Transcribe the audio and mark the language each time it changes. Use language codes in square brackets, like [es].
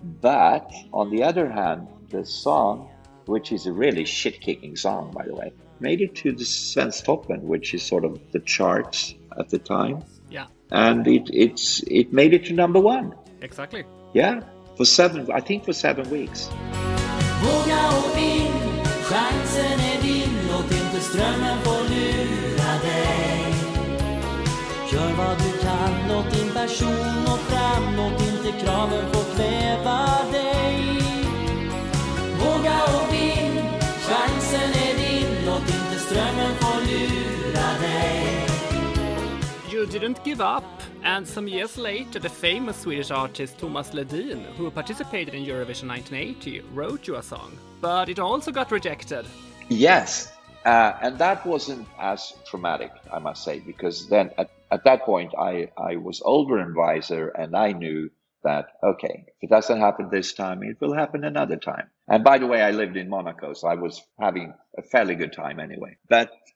[en] But on the other hand, the song, which is a really shit-kicking song, by the way, made it to the Svensktoppen, which is sort of the charts at the time. Yeah. And it made it to number one. Exactly. Yeah. For seven weeks. [sv] Våga och vin, chansen är din. Låt inte strömmen få lura dig. Gör vad du kan, låt din passion nå fram. Låt inte kraven få kväva dig. Våga och vin, chansen är din. Låt inte strömmen få lura dig. [en] You didn't give up. And some years later, the famous Swedish artist Thomas Ledin, who participated in Eurovision 1980, wrote you a song. But it also got rejected. Yes, and that wasn't as traumatic, I must say, because then at that point I was older and wiser, and I knew that, okay, if it doesn't happen this time, it will happen another time. And by the way, I lived in Monaco, so I was having a fairly good time anyway. But